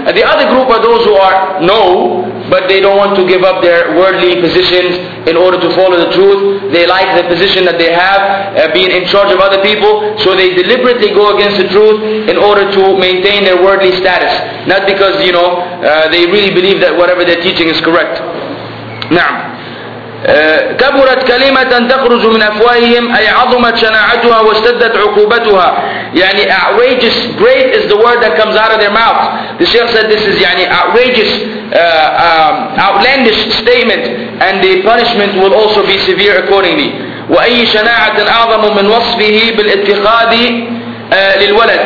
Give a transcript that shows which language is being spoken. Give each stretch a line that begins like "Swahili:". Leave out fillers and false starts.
English: The other group are those who are no, but they don't want to give up their worldly positions in order to follow the truth. They like the position that they have, being in charge of other people, so they deliberately go against the truth in order to maintain their worldly status. Not because, they really believe that whatever they're teaching is correct.
Arabic: Now, كبرت كلمة تخرج من أفواههم أي عظمت شناعتها واشتدت عقوبتها.
English: يعني outrageous, great is the word that comes out of their mouth. The Shaykh said this is outrageous, outlandish statement, and the punishment will also be severe accordingly.
Arabic: وأي شناعة أعظم من وصفه بالاتخاذ للولد.